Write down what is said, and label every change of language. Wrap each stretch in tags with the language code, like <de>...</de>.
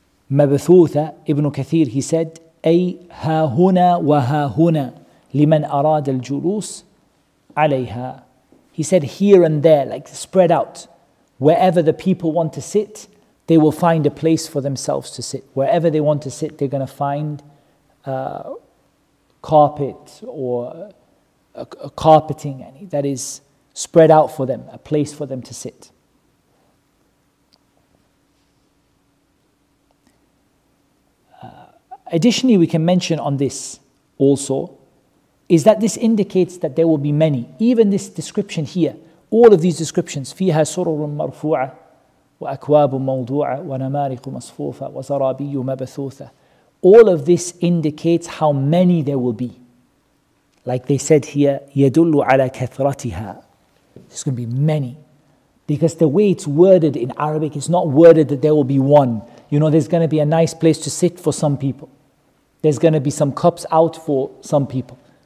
<ar>Mabathutha, Ibn Kathir,</ar> <en>he said,</en> <ar>أي هاهنا وهاهنا لمن أراد الجلوس عليها.</ar> <en>He said, here and there, like spread out. Wherever the people want to sit, they will find a place for themselves to sit. Wherever they want to sit, they're going to find carpet or a carpeting that is spread out for them, a place for them to sit. Additionally, we can mention on this also is that this indicates that there will be many. Even this description here, all of these descriptions,</en> <ar>فيها سرر مرفوعة وأكواب موضوعة ونمارق مصفوفة وزرابي مبثوثة.</ar> <en>All of this indicates how many there will be. Like they said here,</en> <ar>يدل على كثرتها.</ar> <en>There's going to be many. Because the way it's worded in Arabic, it's not worded that there will be one. There's going to be a nice place to sit for some people. There's going to be some cups out for some people.</en>